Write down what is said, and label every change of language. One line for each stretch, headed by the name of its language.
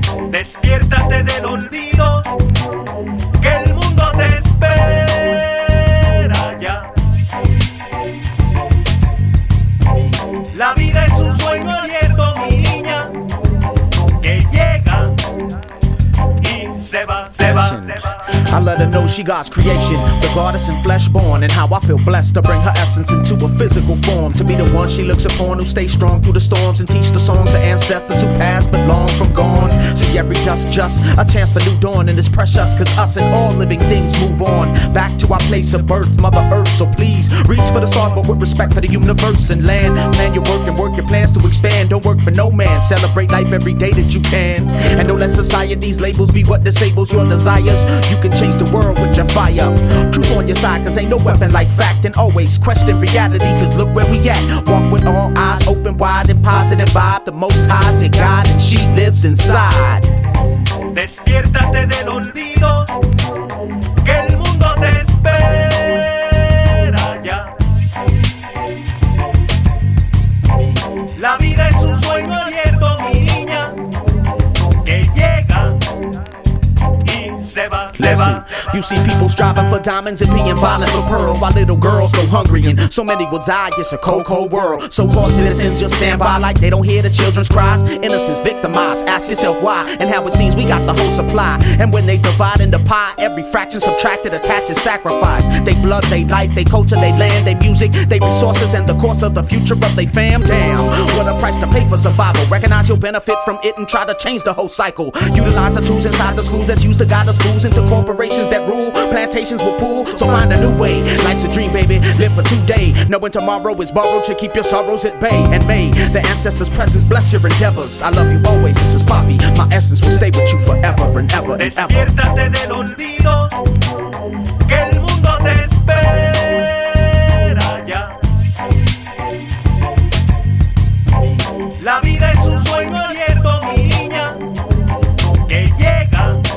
Spanish: despiértate del olvido, que el mundo te espera ya. La vida es un sueño abierto, mi niña, que llega y se va, se va, se va.
English: I let her know she God's creation, the goddess in flesh born, and how I feel blessed to bring her essence into a physical form, to be the one she looks upon, who stays strong through the storms and teach the songs of ancestors who passed but long from gone. See every dust just a chance for new dawn, and it's precious cause us and all living things move on back to our place of birth, Mother Earth. So please reach for the stars, but with respect for the universe and land, plan your work and work your plans to expand. Don't work for no man, celebrate life every day that you can, and don't let society's labels be what disables your desires. You can change the world with your fire. Truth on your side, cause ain't no weapon like fact. And always question reality, cause look where we at. Walk with all eyes open wide and positive vibe. The Most High's your God, and she lives inside.
Spanish: Despiértate del olvido, que el mundo te espera ya. La vida es un sueño abierto, mi niña, que llega y se va.
English: You see people striving for diamonds and being violent for pearls, while little girls go hungry and so many will die. It's a cold, cold world. So-called citizens just stand by like they don't hear the children's cries. Innocence victimized, ask yourself why, and how it seems we got the whole supply. And when they divide in the pie, every fraction subtracted attaches sacrifice. They blood, they life, they culture, they land, they music, they resources, and the course of the future of they fam. Damn, what a price to pay for survival. Recognize your benefit from it and try to change the whole cycle. Utilize the tools inside the schools that's used to guide the schools into corporations that rule, plantations will pool. So find a new way, life's a dream, baby. Live for today, knowing tomorrow is borrowed to keep your sorrows at bay. And may the ancestors' presence bless your endeavors. I love you always, this is Poppy. My essence will stay with you forever and ever and ever.
Spanish: Despiértate del olvido, que el mundo te espera ya. La vida es un sueño abierto, mi niña, que llega